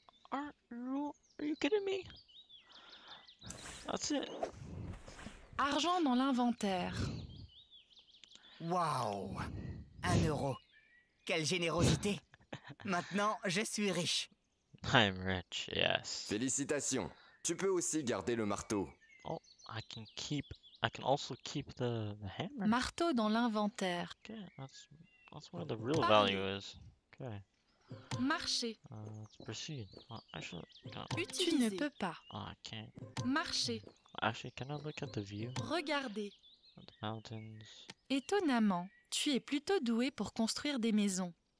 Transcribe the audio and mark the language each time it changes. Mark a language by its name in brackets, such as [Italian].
[English] 1 euro? Are you kidding me? That's it. [French] Argent dans l'inventaire. Wow. 1 euro. Quelle générosité. Maintenant, je suis riche. [English] I'm rich, yes. [French] Félicitations. Tu peux aussi garder le marteau. [English] Oh, I can also keep the hammer. [French] Marteau dans l'inventaire. [English] Okay, that's where the real value is. Okay. [French] Marcher. [English] Let's proceed. [French] Tu ne peux pas. [English] Oh, I can't. [French] Marcher. [English] Actually, can I look at the view? [French] Regardez. [English] The mountains. [French] Étonnamment, tu es plutôt doué pour construire des maisons.